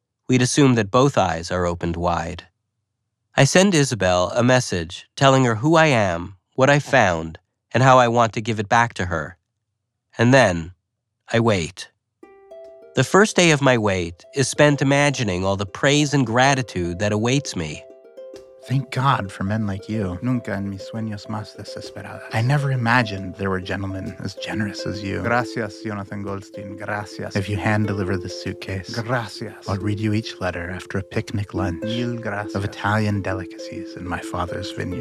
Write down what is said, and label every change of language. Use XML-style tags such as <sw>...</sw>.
<en>We'd assume that both eyes are opened wide. I send Isabel a message telling her who I am, what I found, and how I want to give it back to her. And then, I wait. The first day of my wait is spent imagining all the praise and gratitude that awaits me. Thank God for men like you.</en> <es>Nunca en mis sueños más desesperada.</es> <en>I never imagined there were gentlemen as generous as you.</en> <es>Gracias, Jonathan Goldstein. Gracias.</es> <en>If you hand deliver the suitcase.</en> <es>Gracias.</es> <en>I'll read you each letter after a picnic lunch.</en> <es>Mil gracias.</es> <en>Of Italian delicacies in my father's vineyard.</en>